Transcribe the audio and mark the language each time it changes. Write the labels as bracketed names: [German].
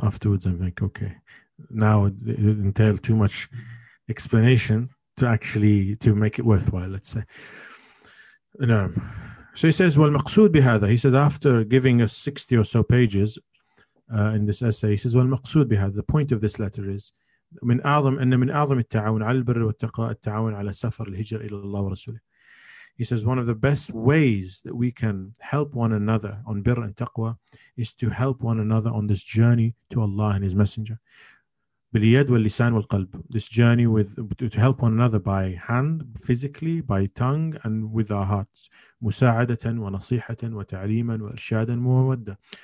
[English] Afterwards, I'm like, okay. Now it entailed too much explanation to make it worthwhile, let's say. No. So he says, well, maqsood bihada. He says, after giving us 60 or so pages in this essay, he says, well, maqsood bihada. The point of this letter is, [Arabic] من أعظم أن من أعظم التعاون على البر والتقاء التعاون على سفر الهجرة إلى الله ورسوله. [English] He says one of the best ways that we can help one another on birr and taqwa is to help one another on this journey to Allah and His Messenger. [Arabic] باليد واللسان والقلب. [English] This journey to help one another by hand, physically, by tongue, and with our hearts. [Arabic] مساعدة ونصيحة وتعليما وإرشادا ومودة.